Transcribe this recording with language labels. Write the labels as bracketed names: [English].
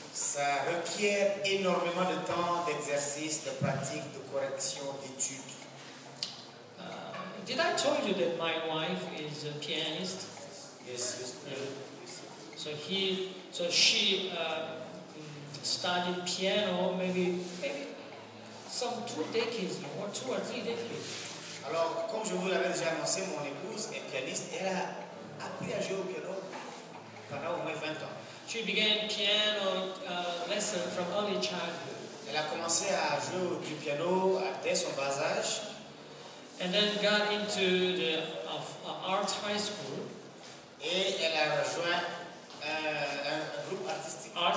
[French] Ça requiert énormément de temps, d'exercice, de pratique, de correction, d'études. [English] Did I told you that my wife is a pianist? Yes. So she studied piano maybe some 2 decades or 2 or 3 decades. [French] Alors, comme je vous l'avais déjà annoncé, mon épouse est pianiste. Elle a appris à jouer au piano pendant au moins 20 ans. [English] She began piano lesson from early childhood. [French] Elle a commencé à jouer du piano dès son bas âge. [English] And then got into the art high school. [French] Et elle a rejoint un groupe artistique.